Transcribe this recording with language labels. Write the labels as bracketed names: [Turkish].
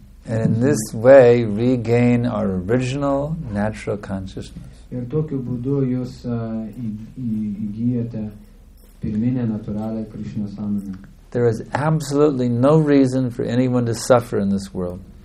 [English] And in this way, regain our original natural consciousness. [Lithuanian] Ir tokiu būdu jūs įgyjate pirminę natūralią Krishna sąmonę. [English] There is absolutely no reason for anyone to suffer in this world.